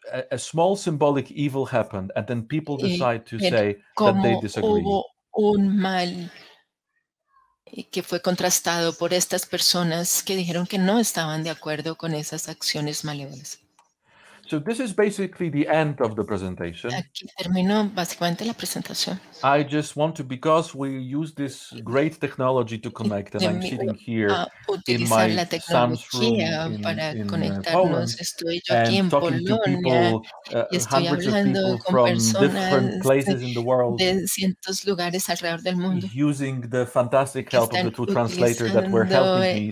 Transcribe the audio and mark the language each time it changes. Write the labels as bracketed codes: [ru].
[en] a small symbolic evil happened, and then people decide to say that they disagree. [es] Hubo un mal que fue contrastado por estas personas que dijeron que no estaban de acuerdo con esas acciones malévolas. [en] So this is basically the end of the presentation. [es] Aquí termino básicamente la presentación. [en] I just want to, because we use this great technology to connect, and I'm sitting here in my son's room in Poland, talking to hundreds of people from different places in the world, using the fantastic help of the two translators that were helping me.